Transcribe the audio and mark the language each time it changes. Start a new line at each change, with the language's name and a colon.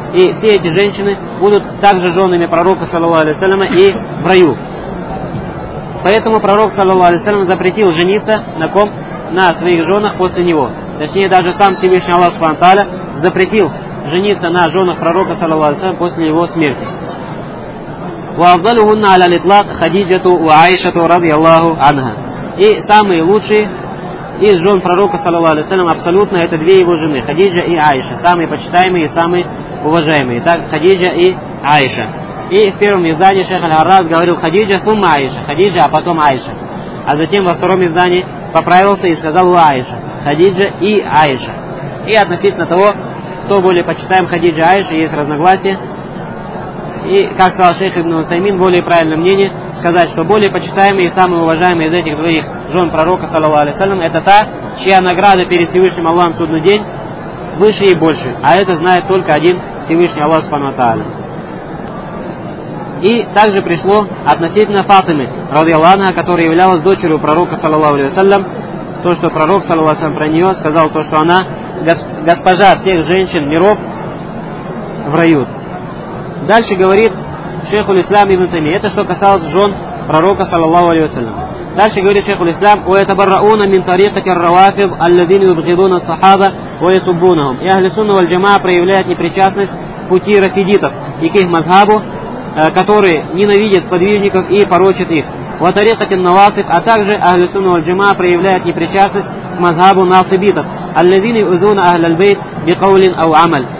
Russian: И все эти женщины будут также женами пророка, саллаллаху алейхи ва саллям, и в раю. Поэтому пророк, саллаллаху алейхи ва саллям, запретил жениться на ком? На своих женах после него. Точнее, даже сам Всевышний Аллах субхана ва тааля запретил жениться на женах пророка, саллаллаху алейхи ва саллям, после его смерти.
Arabic: وأفضلهن على الإطلاق خديجة وعائشة رضي الله عنها.
Russian: И самые лучшие из жен пророка, саллаллаху алейхи ва саллям, абсолютно это две его жены, Хадиджа и Аиша, самые почитаемые и самые уважаемые. Так, Хадиджа и Аиша. И в первом издании шейх аль-Арраз говорил Хадиджа, сумма Аиша, Хадиджа, а потом Аиша. А затем во втором издании поправился и сказал у Аиша, Хадиджа и Аиша. И относительно того, кто более почитаем Хадиджа и Аиша, есть разногласия. И, как сказал шейх Ибн Усаймин, более правильное мнение сказать, что более почитаемый и самый уважаемый из этих двоих жен пророка, саллаллаху алейхи ва саллям, это та, чья награда перед Всевышним Аллахом в судный день выше и больше. А это знает только один Всевышний Аллах субхана ва тааля. И также пришло относительно Фатимы, радиаллаху анха, которая являлась дочерью пророка, саллаллаху алейхи ва саллям, то, что пророк, саллаллаху алейхи ва саллям, про нее сказал, то, что она госпожа всех женщин миров в раю. Дальше говорит шейху ислам ибн Тайми. Это что касалось жен пророка, саллаллаху алейхи ва саллям. Дальше говорит шейху ислам,
Arabic: وَيَتَبَرَّؤُونَ مِنْ طَرِيقَةِ الرَّوَافِضِ الَّذِينَ يُبْغِضُونَ الصَّحَابَ وَيَسُبُّونَهُمْ.
Russian: И Ахли Сунна валь Джамаа проявляют непричастность пути рафидитов и к их мазхабу, которые ненавидят сподвижников и порочат их.
Arabic: وَطَرِيقَةِ النَّوَاصِفِ.
Russian: А также Ахли Сунна валь Джамаа проявляют непричастность к мазхабу насибитов,
Arabic: الَّذِينَ يُؤْذُونَ أَهْلَ الْبَيْتِ بِقَوْلٍ أَوْ عَمَلٍ.